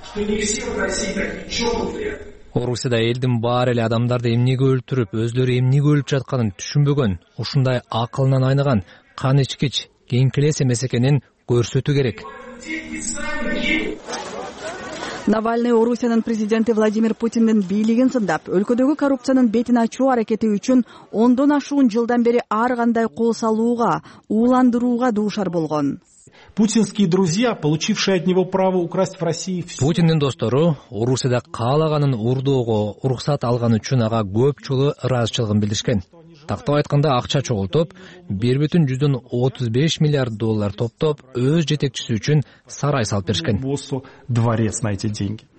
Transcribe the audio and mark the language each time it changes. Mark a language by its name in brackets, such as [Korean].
[Kyrgyz] Орусияда элдин баары эле адамдарды эмнеге өлтүрүп, өзлөрү эмнеге өлүп жатканын түшүнбөгөн, ушундай акылынан айныган, кан ичкич, кеңкелес эмес экенин көрсөтүү керек. Навальный Орусиянын президенти Владимир Путиндин бийлигин сындап, өлкөдөгү коррупциянын бетин ачуу аракети үчүн 10 ашуун жылдан бери ар кандай кол салууга, уулдандырууга дуушар болгон. [Russian] Путинские друзья, получившие от него право украсть в России всё. [Kyrgyz] Путиндин достору Орусияда каалаганын урдоого уруксат алган үчүн ага көпчүлүк ыраазычылыгын билдиришкен. Тактап айтканда акча чогултуп, 1,35 миллиард доллар топтоп, өз жетекчиси үчүн сарай салып беришкен.